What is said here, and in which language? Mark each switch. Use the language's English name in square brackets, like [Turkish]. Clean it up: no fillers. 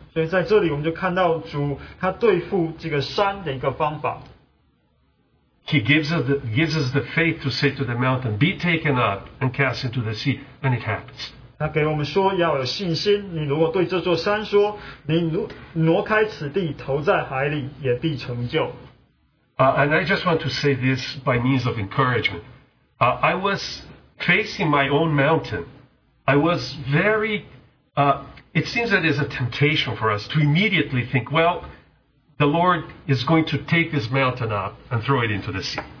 [Chinese] 所以在这里我们就看到主,他对付这个山的一个方法。 [English] He gives us the faith to say to the mountain, be taken up and cast into the sea, and it happens. [Chinese] 他给我们说要有信心,你如果对这座山说,你挪开此地,投在海里,也必成就。 [English] And I just want to say this by means of encouragement. I was facing my own mountain. I was very, it seems that it is a temptation for us to immediately think, well, the Lord is going to take this mountain up and throw it into the sea.